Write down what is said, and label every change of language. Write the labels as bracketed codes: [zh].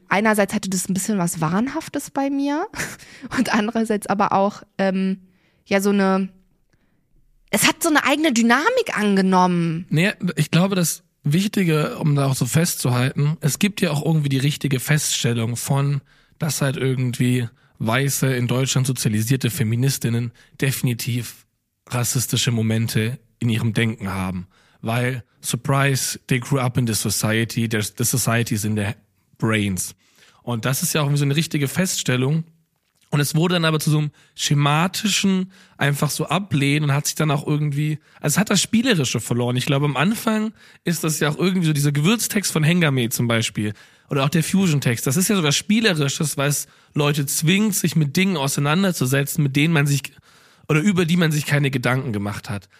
[de] Einerseits hatte das ein bisschen was Wahnhaftes bei mir und andererseits aber auch, ja, so eine, es hat so eine eigene Dynamik angenommen. Nee, ich glaube, das Wichtige, um da auch so festzuhalten, es gibt ja auch irgendwie die richtige Feststellung von, dass halt irgendwie weiße, in Deutschland sozialisierte Feministinnen definitiv rassistische Momente in ihrem Denken haben. [en] Weil, surprise, they grew up in the society, the society is in their brains. [de] Und das ist ja auch irgendwie so eine richtige Feststellung. Und es wurde dann aber zu so einem schematischen einfach so ablehnen und hat sich dann auch irgendwie, also es hat das Spielerische verloren. Ich glaube, am Anfang ist das ja auch irgendwie so dieser Gewürztext von Hengame zum Beispiel oder auch der Fusion-Text. Das ist ja sogar Spielerisches, weil es Leute zwingt, sich mit Dingen auseinanderzusetzen, mit denen man sich oder über die man sich keine Gedanken gemacht hat.